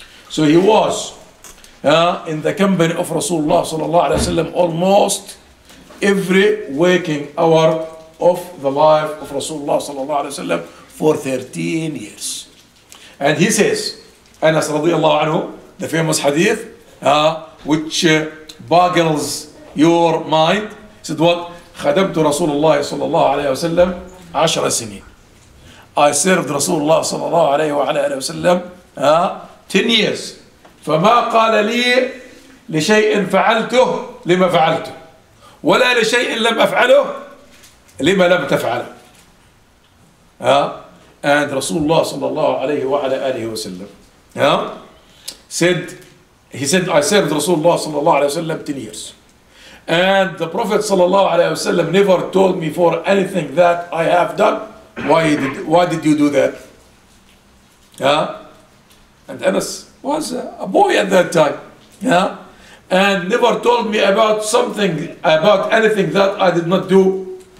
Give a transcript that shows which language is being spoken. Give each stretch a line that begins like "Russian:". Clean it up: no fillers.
English: So he was in the company of Rasulullah sallallahu alayhi wa sallam almost every waking hour of the life of Rasulullah sallallahu alayhi wa sallam for 13 years. And he says, Anas رضي الله عنه, the famous hadith, which boggles your mind. He said, what?
Arabic: خدمت رسول الله صلى الله عليه وسلم 10 سنين.
English: I served
Arabic: رسول الله صلى الله عليه وعلى آله وسلم
English: 10 years.
Arabic: فما قال لي لشيء فعلته لما فعلته. ولا لشيء لم أفعله لما لم تفعله.
English: And
Arabic: رسول الله صلى الله عليه وعلى آله وسلم.
English: He said, I served
Arabic: رسول الله صلى الله عليه وسلم
English: 10 years. And the Prophet
Arabic: صلى الله عليه وسلم
English: never told me for anything that I have done. Why did you do that? And Anas was a boy at that time. And never told me about something, about anything that I did not do.